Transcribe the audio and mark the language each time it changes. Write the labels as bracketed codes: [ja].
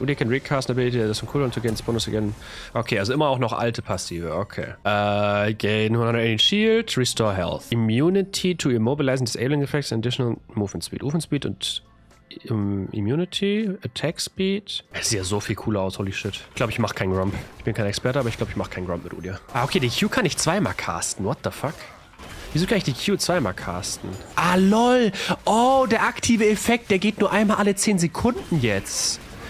[en] Udyr can recast an ability, [de] das ist ein [en] cooldown to gain, bonus again. Okay, [de] also immer auch noch alte Passive, [en] okay. Gain 180 Shield, restore health. Immunity to immobilizing disabling effects, additional movement speed. Movement speed und Immunity, Attack Speed. [de] Das sieht ja so viel cooler aus, [en] holy shit. [de] Ich glaube, ich mache keinen Grump. Ich bin kein Experte, aber ich glaube, ich mache keinen Grump mit Udyr. Ah, okay, die Q kann ich zweimal casten. [en] What the fuck? [de] Wieso kann ich die Q zweimal casten? Ah, lol. Oh, der aktive Effekt, der geht nur einmal alle 10 Sekunden jetzt.